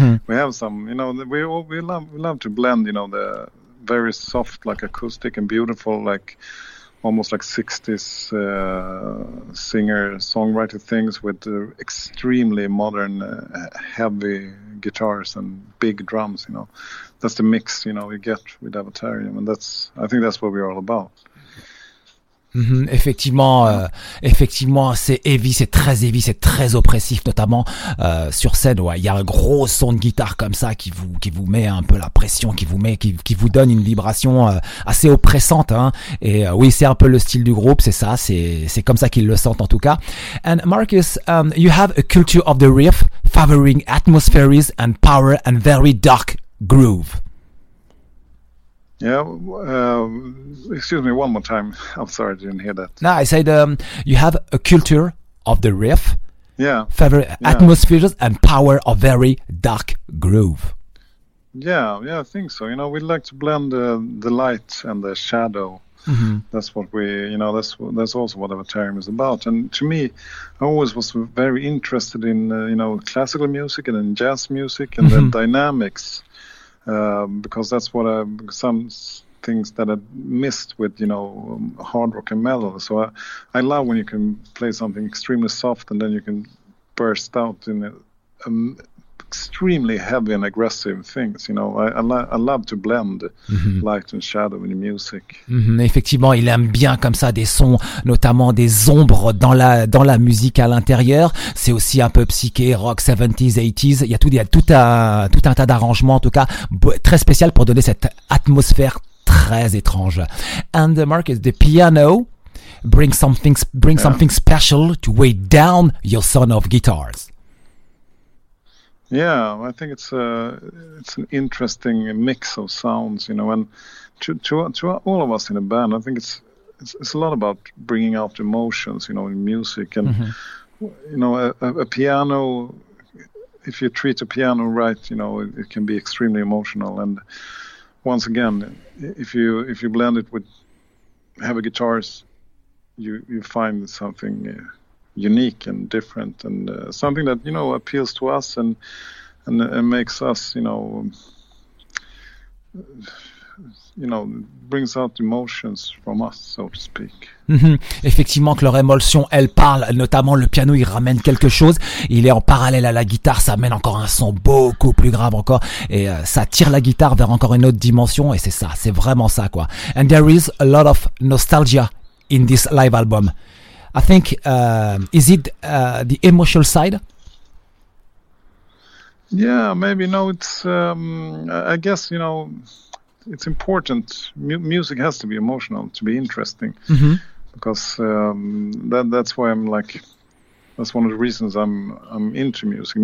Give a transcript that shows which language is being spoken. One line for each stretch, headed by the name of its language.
English: We have some, you know, we love to blend, you know, the very soft, like acoustic and beautiful, like almost like 60s singer-songwriter things with extremely modern, heavy guitars and big drums, you know. That's the mix, you know, we get with Avatarium, and I think that's what we're all about.
French: Effectivement, c'est heavy, c'est très oppressif, notamment sur scène. Ouais, il y a un gros son de guitare comme ça qui vous met un peu la pression, qui vous donne une vibration assez oppressante. Hein. Et oui, c'est un peu le style du groupe, c'est ça, c'est comme ça qu'ils le sentent en tout cas.
English: And Marcus, you have a culture of the riff, favoring atmospheres and power and very dark groove. Yeah, excuse me one more time. I'm sorry, I didn't hear that. No, I said you have a culture of the riff. Yeah. Atmospheres and power of very dark groove. Yeah, I think so. You know, we like to blend the light and the shadow. That's what we, you know, that's also what Avatarium is about. And to me, I always was very interested in, you know, classical music and in jazz music and the dynamics. Because that's what some things that I missed with, you know, hard rock and metal. So I love when you can play something extremely soft and then you can burst out in a extremely heavy and aggressive things, you know. I love to blend light and shadow in music.
French: Effectivement, il aime bien comme ça des sons, notamment des ombres dans la musique à l'intérieur. C'est aussi un peu psyché, rock, 70s, 80s. Il y a tout, tout un tas d'arrangements, en tout cas, très spécial pour donner cette atmosphère très étrange.
English: And the Marcus, the piano brings something, something special to weigh down your son of guitars. Yeah, I think it's an interesting mix of sounds, you know, and to all of us in a band, I think it's a lot about bringing out emotions, you know, in music. And you know, a piano, if you treat a piano right, you know, it can be extremely emotional. And once again, if you blend it with heavy guitars, you find something unique and different, and something that, you know, appeals to us and makes us, you know, brings out emotions from us, so to speak.
French: Effectivement, que leur émotion, elle parle, notamment le piano, il ramène quelque chose. Il est en parallèle à la guitare, ça amène encore un son beaucoup plus grave encore, et ça tire la guitare vers encore une autre dimension, et c'est ça, c'est vraiment ça, quoi.
English: And there is a lot of nostalgia in this live album. I think, is it the emotional side? Yeah, maybe. No, it's, I guess, you know, it's important. Music has to be emotional to be interesting. Because that's why I'm like, that's one of the reasons I'm into music.